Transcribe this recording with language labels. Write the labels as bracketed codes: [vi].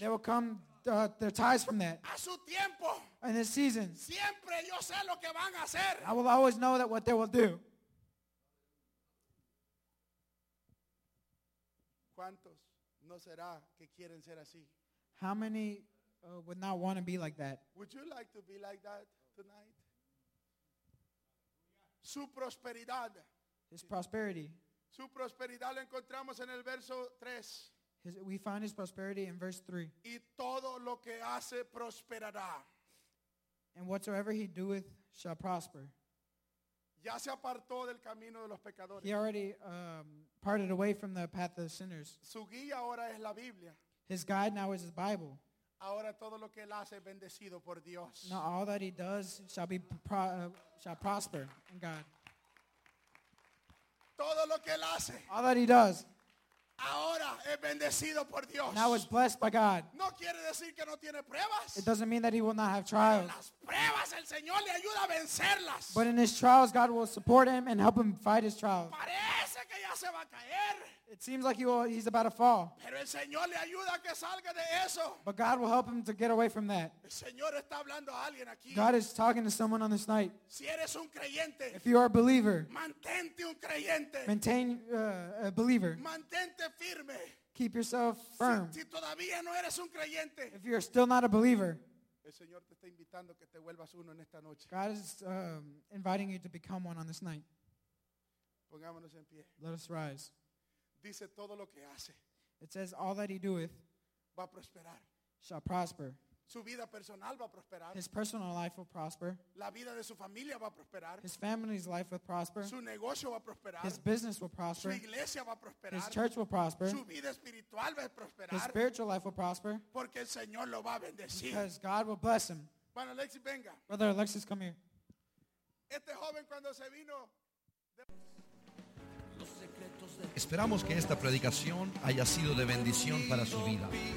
[en] There will come their ties from that. [es] A su tiempo. [en] In his season. [es] Siempre yo sé lo que van a hacer. [en] I will always know that what they will do. [es] ¿Cuántos no será que quieren ser así? [en] How many would not want to be like that? Would you like to be like that tonight? [es] Su prosperidad. [en] His prosperity. [es] Su prosperidad lo encontramos en el verso 3. [en] We find his prosperity in verse 3. [es] Y todo lo que hace prosperará. [en] And whatsoever he doeth shall prosper. [es] Ya se apartó del camino de los pecadores. [en] He already parted away from the path of the sinners. [es] Su guía ahora es la Biblia. [en] His guide now is his Bible. [es] Ahora todo lo que él hace es bendecido por Dios. [en] Now all that he does shall be shall prosper in God. [es] Todo lo que él hace. [en] All that he does. [es] Ahora es bendecido por Dios. [en] Now is blessed by God. [es] No quiere decir que no tiene pruebas. [en] It doesn't mean that he will not have trials. [es] Las pruebas, el Señor le ayuda a vencerlas. [en] But in his trials, God will support him and help him fight his trials. [es] Parece que ya se va a caer. [en] It seems like he's about to fall. [es] Pero el Señor le ayuda a que salga de eso. [en] But God will help him to get away from that. [es] El Señor está hablando a alguien aquí. [en] God is talking to someone on this night. [es] Si eres un creyente, [en] if you are a believer, [es] mantente un creyente. [en] Maintain a believer. [es] Mantente firme. [en] Keep yourself firm. [es] Si todavía no eres un creyente, [en] if you are still not a believer, [es] el Señor te está invitando que te vuelvas uno en esta noche. [en] God is inviting you to become one on this night. [es] Pongámonos en pie. [en] Let us rise. [es] Dice todo lo que hace. [en] It says all that he doeth [es] va a prosperar. [en] Shall prosper. [es] Su vida personal va a prosperar. [en] His personal life will prosper. [es] La vida de su familia va a prosperar. [en] His family's life will prosper. [es] Su negocio va a prosperar. [en] His business will prosper. [es] Su iglesia va a prosperar. [en] His church will prosper. [es] Su vida espiritual va a prosperar. [en] His spiritual life will prosper. [es] Porque el Señor lo va a bendecir. [en] Because God will bless him. [es] Bueno, Alexis, venga. [en] Brother Alexis, come here. [es] Este joven cuando se vino. Esperamos que esta predicación haya sido de bendición para su vida.